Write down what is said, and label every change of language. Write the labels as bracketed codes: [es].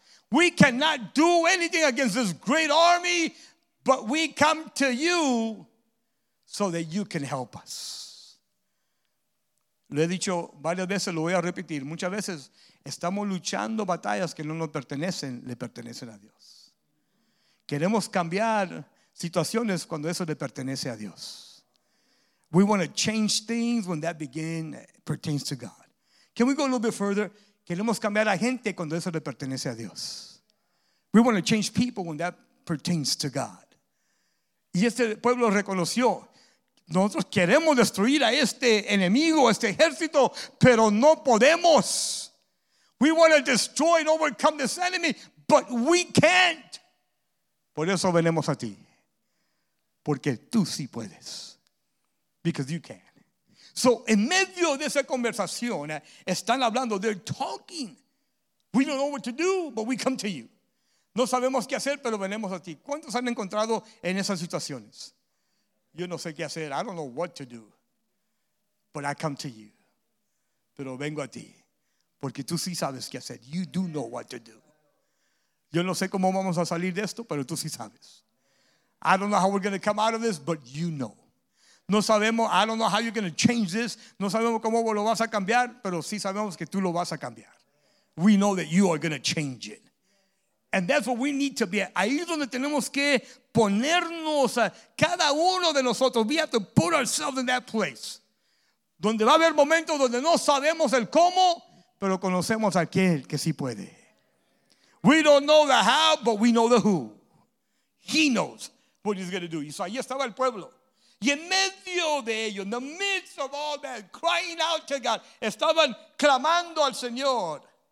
[en] We cannot do anything against this great army, but we come to you so that you can help us. [es] Lo he dicho varias veces, lo voy a repetir. Muchas veces estamos luchando batallas que no nos pertenecen, le pertenecen a Dios. Queremos cambiar situaciones cuando eso le pertenece a Dios. [en] We want to change things when that pertains to God. Can we go a little bit further? [es] Queremos cambiar a gente cuando eso le pertenece a Dios. [en] We want to change people when that pertains to God. [es] Y este pueblo reconoció, nosotros queremos destruir a este enemigo, a este ejército, pero no podemos. [en] We want to destroy and overcome this enemy, but we can't. [es] Por eso venimos a ti. Porque tú sí puedes. [en] Because you can. [es] So, en medio de esa conversación, están hablando, [en] they're talking. We don't know what to do, but we come to you. [es] No sabemos qué hacer, pero venimos a ti. ¿Cuántos han encontrado en esas situaciones? Yo no sé qué hacer. [en] I don't know what to do, but I come to you. [es] Pero vengo a ti. Porque tú sí sabes qué hacer. [en] You do know what to do. [es] Yo no sé cómo vamos a salir de esto, pero tú sí sabes. [en] I don't know how we're going to come out of this, but you know. [es] No sabemos, [en] I don't know how you're going to change this. [es] No sabemos cómo lo vas a cambiar, pero sí sabemos que tú lo vas a cambiar. [en] We know that you are going to change it. And that's what we need to be. [es] Ahí es donde tenemos que ponernos a cada uno de nosotros. [en] We have to put ourselves in that place. [es] Donde va a haber momentos donde no sabemos el cómo, pero conocemos a aquel que sí puede. [en] We don't know the how, but we know the who. He knows what he's going to do. [es] Y so ahí estaba el pueblo. Y en medio de ello, [en] in the midst of all that, crying out to God, [es] estaban clamando al Señor.